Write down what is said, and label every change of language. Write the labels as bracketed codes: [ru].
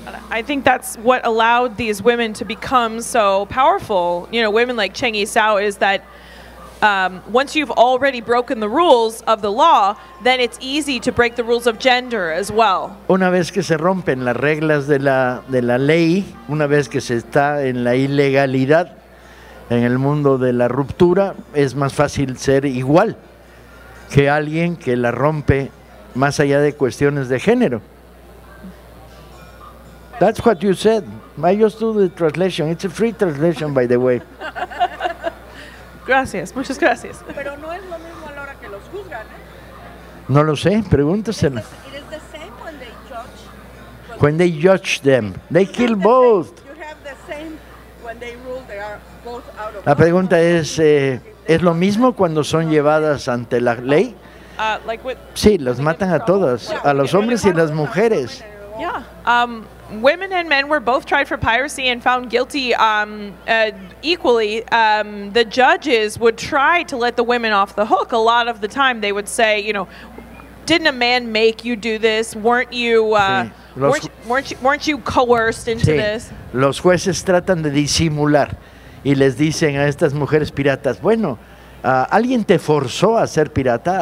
[en] I think that's what allowed these women to become so powerful. You know, women like Cheng Yi Cao is that once you've already broken the rules of the law, then it's easy to break the rules of gender as well. [es] Una vez que se rompen las reglas de la ley, una vez que se está en la ilegalidad, en el mundo de la ruptura, es más fácil ser igual que alguien que la rompe más allá de cuestiones de género. [en] That's what you said. I just do the translation. It's a free translation, by the way. [es] Gracias. Muchas gracias. Pero no es lo mismo a la hora que los juzgan, ¿eh? No lo sé. Pregúntaselo. [en] It is the same when they judge. When they judge them. They kill both. Same. You have the same when they rule. They are both out of [es] La pregunta court. Es, ¿es lo mismo cuando son llevadas ante la ley? Sí, los matan a todas. [en] Yeah, [es] a los hombres y las mujeres. [en] Yeah. Women and men were both tried for piracy and found guilty equally. The judges would try to let the women off the hook. A lot of the time they would say, you know, didn't a man make you do this? Weren't you coerced into this? [es] Los jueces tratan de disimular y les dicen a estas mujeres piratas, bueno, ¿alguien te forzó a ser pirata?